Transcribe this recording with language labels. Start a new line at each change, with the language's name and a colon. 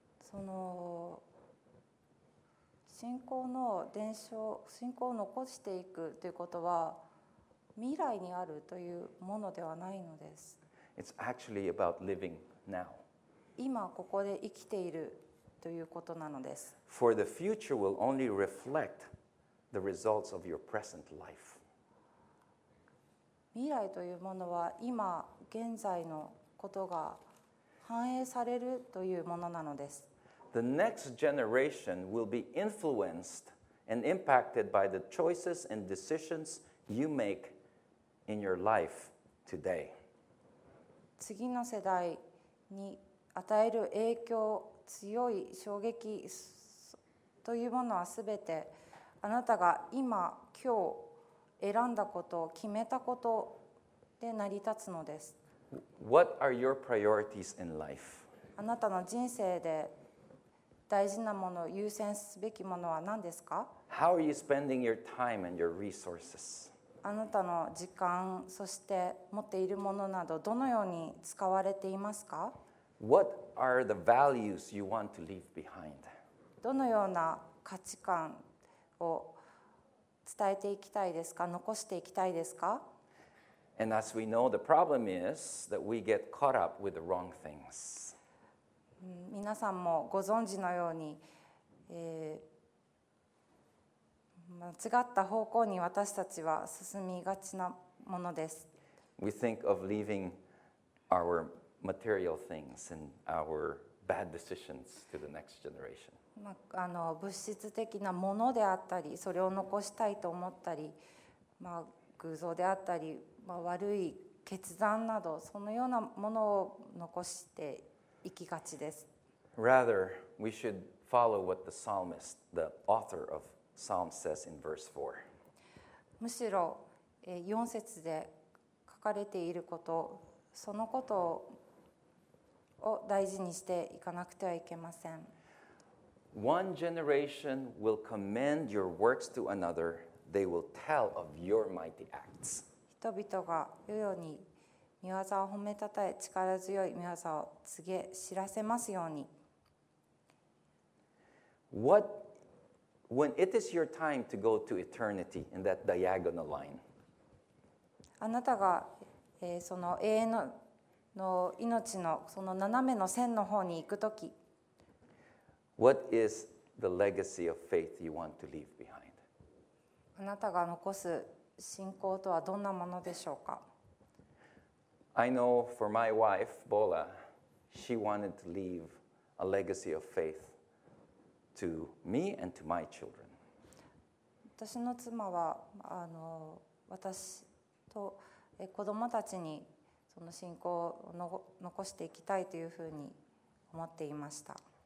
Japanese: その信仰の伝承、信仰を残していくということは未来にあるというものではないのです。
English: It's actually about living now.
Japanese: 今ここで生きているということなのです。
English: For the future will only reflect the results of your present life.
Japanese: 未来というものは今現在のことが反映されるというものなのです。
English: The next generation will be influenced and impacted by the choices and decisions you make in your life today.
Japanese: 次の世代に与える影響、強い衝撃というものはすべてあなたが今、今日選んだこと、決めたことで成り立つのです。
English: What are your priorities in life?
Japanese: あなたの人生で大事なもの、優先すべきものは何ですか?
English: How are you spending your time and your resources?
Japanese: あなたの時間、そして持っているものなどどのように使われていますか? What are the values you want to leave behind? どのような価値観を伝えていきたいですか? 残していきたいですか?
English: And as we know, the problem is that we get caught up with the wrong things.
Japanese: 皆さんもご存知のように、間違った方向に私たちは進みがちなものです。
English: We think of leaving our material things and our bad decisions to the next generation.
Japanese: 物質的なものであったり、それを残したいと思ったり、偶像であったり、悪い決断など、そのようなものを残していきがちです。
English: Rather, we should follow what the psalmist, the author of Psalm says in verse 4.
Japanese: むしろ4節で書かれていること、そのことを大事にしていかなくてはいけません。
English: One generation will commend your works to another. They will tell of your mighty acts.
Japanese: 人々が世々に御業を褒めたたえ、力強い御業を告げ知らせますように。
English: What? When it is your time to go to eternity in that diagonal line,
Japanese: あなたが、その永遠の命のその斜めの線の方に行くとき、
English: What is the legacy of faith you want to leave behind?
Japanese: あなたが残す信仰とはどんなものでしょうか?
English: I know for my wife, Bola, she wanted to leave a legacy of faith. To me and to my children.
Japanese: 私の妻は私と子供たちにその信仰を残していきたいというふうに思っていました。